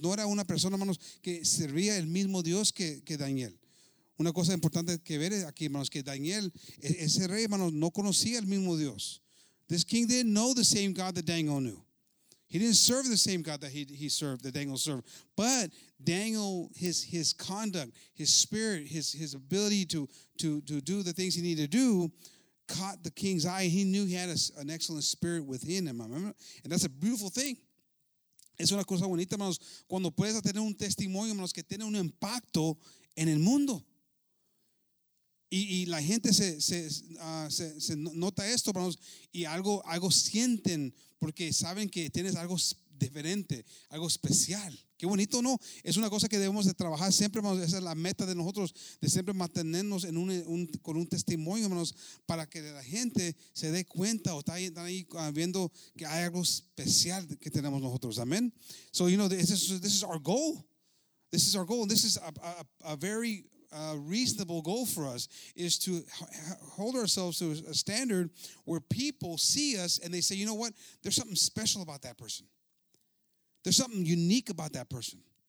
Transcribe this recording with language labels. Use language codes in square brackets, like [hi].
[es] No era una persona, hermanos, que servía el mismo Dios que Daniel. Una cosa importante que ver aquí, hermanos, que Daniel, ese rey, hermanos, no conocía el mismo Dios. [en] This king didn't know the same God that Daniel knew. He didn't serve the same God that he served, that Daniel served. But Daniel, his conduct, his spirit, his ability to do the things he needed to do, caught the king's eye. He knew he had an excellent spirit within him. Remember? And that's a beautiful thing. [es] Es una cosa bonita, hermanos, cuando puedes tener un testimonio, hermanos, que tiene un impacto en el mundo. Y la gente se nota esto, hermanos, y algo sienten porque saben que tienes algo diferente, algo especial. Qué bonito, ¿no? Es una cosa que debemos de trabajar siempre, hermanos. Esa es la meta de nosotros, de siempre mantenernos en con un testimonio, hermanos, para que la gente se dé cuenta o están ahí viendo que hay algo especial que tenemos nosotros. [en] Amén. So, you know, this is our goal. This is our goal. This is a very reasonable goal for us, is to hold ourselves to a standard where people see us and they say, you know what? There's something special about that person. There's something unique about that person.